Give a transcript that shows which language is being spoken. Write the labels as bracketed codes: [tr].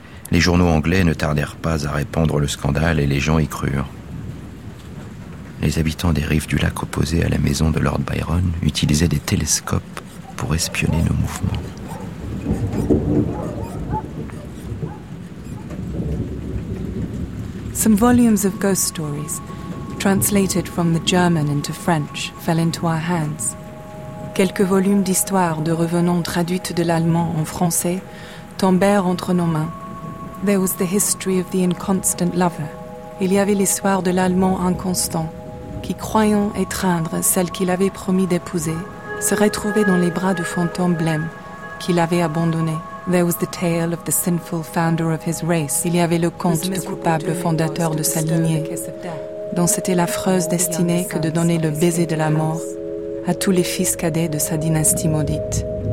[fr] Les journaux anglais ne tardèrent pas à répandre le scandale et les gens y crurent. Les habitants des rives du lac opposé à la maison de Lord Byron utilisaient des télescopes pour espionner nos mouvements. [en] Some volumes of ghost stories, translated from the German into French, fell into our hands. [fr] Quelques volumes d'histoires de revenants traduites de l'allemand en français tombèrent entre nos mains. [en] There was the history of the inconstant lover. [fr] Il y avait l'histoire de l'allemand inconstant, qui, croyant étreindre celle qu'il avait promis d'épouser, se retrouvait dans les bras du fantôme blême qu'il avait abandonné. [en] There was the tale of the sinful founder of his race. [fr] Il y avait le conte du coupable fondateur de sa lignée, dont c'était l'affreuse destinée que de donner le baiser de la mort à tous les fils cadets de sa dynastie maudite.